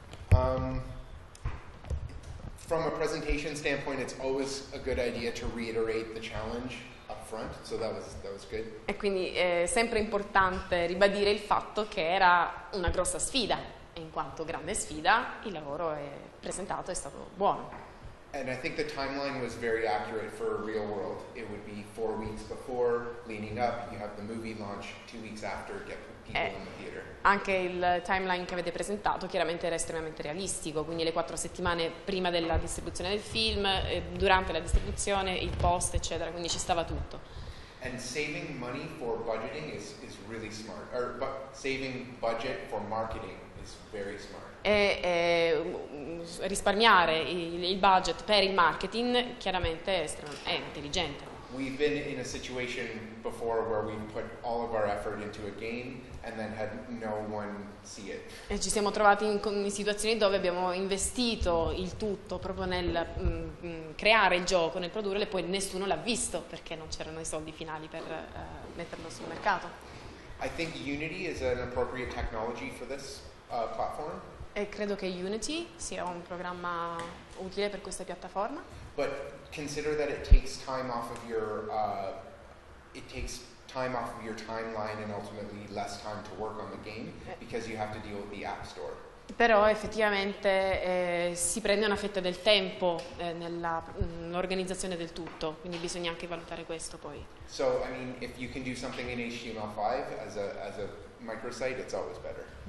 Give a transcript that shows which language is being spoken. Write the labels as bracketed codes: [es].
[en] From a presentation standpoint, it's always a good idea to reiterate the challenge up front. So that was good. [it] E quindi è sempre importante ribadire il fatto che era una grossa sfida. E in quanto grande sfida, il lavoro è presentato è stato buono. [en] And I think the timeline was very accurate for a real world. It would be 4 weeks before, leading up, you have the movie launch, 2 weeks after, get people in the theater. [it] Anche il timeline che avete presentato chiaramente era estremamente realistico, quindi le 4 settimane prima della distribuzione del film, durante la distribuzione, il post, eccetera, quindi ci stava tutto. [en] And saving money for budgeting is really smart, or saving budget for marketing. Very smart. [it] E risparmiare il budget per il marketing chiaramente è intelligente. [en] We've been in a situation before where we put all of our effort into a game and then had no one see it. [it] E ci siamo trovati in situazioni dove abbiamo investito il tutto proprio nel creare il gioco, nel produrlo e poi nessuno l'ha visto perché non c'erano i soldi finali per metterlo sul mercato. [en] I think Unity is an appropriate technology for this. Platform. [it] E credo che Unity sia un programma utile per questa piattaforma. [en] But consider that it takes time off of your timeline and ultimately less time to work on the game because you have to deal with the App Store. [it] Però effettivamente si prende una fetta del tempo nell'organizzazione del tutto, quindi bisogna anche valutare questo poi. [en] So I mean, if you can do something in HTML5 as a microsite, it's always better.